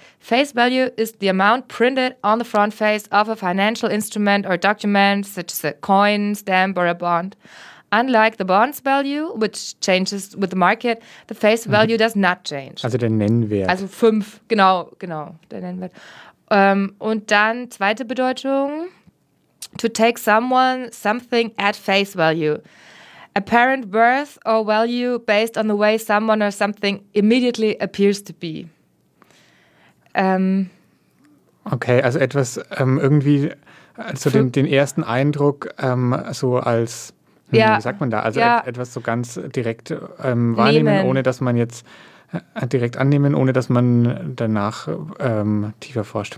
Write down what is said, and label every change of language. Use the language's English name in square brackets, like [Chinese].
[English] Face value is the amount printed on the front face of a financial instrument or document, such as a coin, stamp or a bond. Unlike the bond's value, which changes with the market, the face value does not change. [German] Also der Nennwert. Also 5, genau, der Nennwert. Und dann zweite Bedeutung, [English] to take someone something at face value. Apparent worth or value based on the way someone or something immediately appears to be. [German] Okay, also etwas irgendwie so also den ersten Eindruck so als, wie sagt man da, also etwas so ganz direkt wahrnehmen, ohne dass man jetzt direkt annehmen, ohne dass man danach tiefer forscht.